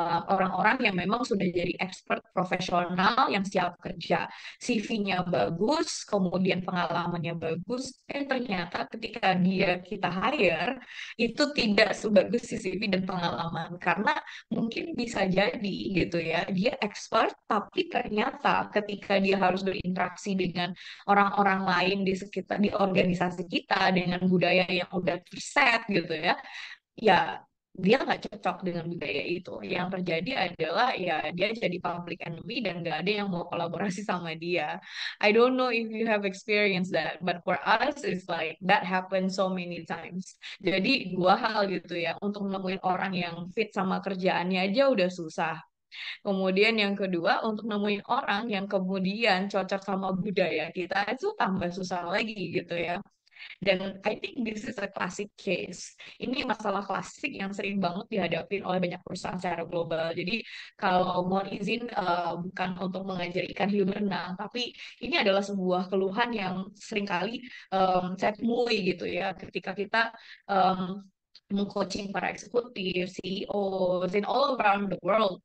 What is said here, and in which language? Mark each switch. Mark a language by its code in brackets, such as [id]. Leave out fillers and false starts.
[id] Orang-orang yang memang sudah jadi expert profesional yang siap kerja, CV-nya bagus, kemudian pengalamannya bagus, dan ternyata ketika dia kita hire itu tidak sebagus si CV dan pengalaman, karena mungkin bisa jadi gitu ya, dia expert tapi ternyata ketika dia harus berinteraksi dengan orang-orang lain di sekitar di organisasi kita dengan budaya yang udah preset gitu ya, ya dia nggak cocok dengan budaya itu. Yang terjadi adalah ya dia jadi public enemy dan nggak ada yang mau kolaborasi sama dia. [en] I don't know if you have experienced that, but for us it's like that happened so many times. [id] Jadi dua hal gitu ya, untuk nemuin orang yang fit sama kerjaannya aja udah susah. Kemudian yang kedua, untuk nemuin orang yang kemudian cocok sama budaya kita itu tambah susah lagi gitu ya. Dan [en] I think this is a classic case. [id] Ini masalah klasik yang sering banget dihadapi oleh banyak perusahaan secara global. Jadi kalau mohon izin bukan untuk mengajar ikan hiu berenang, tapi ini adalah sebuah keluhan yang seringkali saya temui gitu ya ketika kita meng-coaching para eksekutif, CEO, [en] in all around the world.